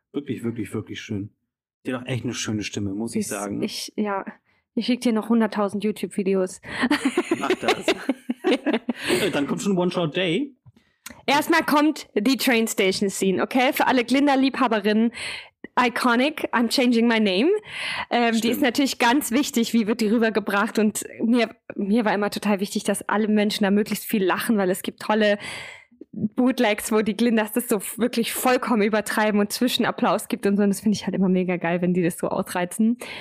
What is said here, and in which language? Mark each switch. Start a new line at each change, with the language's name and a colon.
German: Wirklich, wirklich, wirklich schön. Die hat auch echt eine schöne Stimme, muss ich sagen. Ich schicke dir noch 100.000 YouTube-Videos. Mach das. Dann kommt schon One Short Day. Erstmal kommt die Train Station Scene, okay? Für alle Glinda-Liebhaberinnen.
English: Iconic, I'm changing my name.
German: Die ist natürlich ganz wichtig, wie wird die rübergebracht. Und mir war immer total wichtig, dass alle Menschen da möglichst viel lachen, weil es gibt tolle Bootlegs, wo die Glindas das so wirklich vollkommen übertreiben und Zwischenapplaus gibt und so. Und das finde ich halt immer mega geil, wenn die das so ausreizen.